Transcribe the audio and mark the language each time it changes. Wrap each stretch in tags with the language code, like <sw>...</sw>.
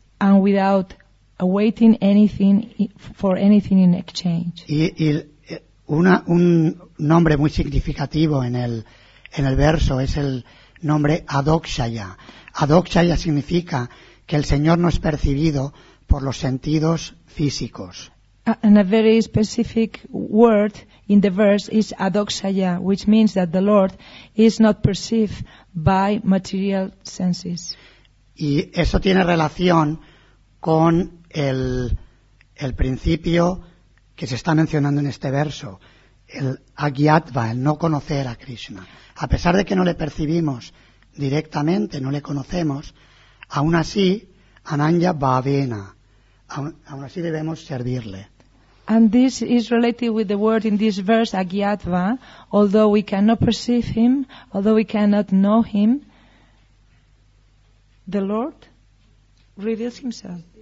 <en>and without awaiting anything for anything in exchange.</en> <es>Y un nombre muy significativo en el verso es el nombre Adokshaya. Adokshaya significa que el Señor no es percibido por los sentidos físicos.</es> <en>And a very specific word in the verse is Adokshaya, which means that the Lord is not perceived by material senses.</en> <es>Y eso tiene relación con el principio que se está mencionando en este verso, el Agyatva, el no conocer a Krishna. A pesar de que no le percibimos directamente, no le conocemos, aún así, Ananya Bhavena, aún así debemos servirle.</es> <en>And this is related with the word in this verse, Agyatva, although we cannot perceive him, although we cannot know him, the Lord reveals himself.</en>